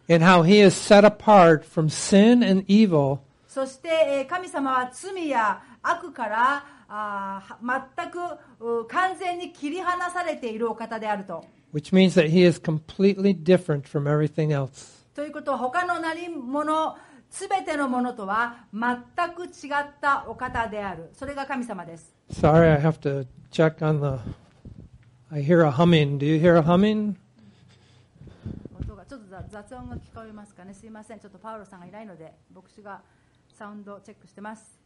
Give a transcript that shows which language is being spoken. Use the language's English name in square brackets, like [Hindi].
[English] And how he is set apart from sin and evil. [Japanese] そして神様は罪や悪から全く完全に切り離されているお方であると。 [English] Which means that he is completely different from everything else. [Japanese] ということは他の何者、すべてのものとは全く違ったお方である。それが神様です。 [English] Sorry, I have to check on the I hear a humming. Do you hear a humming? [Japanese] ちょっと雑音が聞こえますかね。すいません。ちょっとパウロさんがいないので、牧師がサウンドチェックしてます。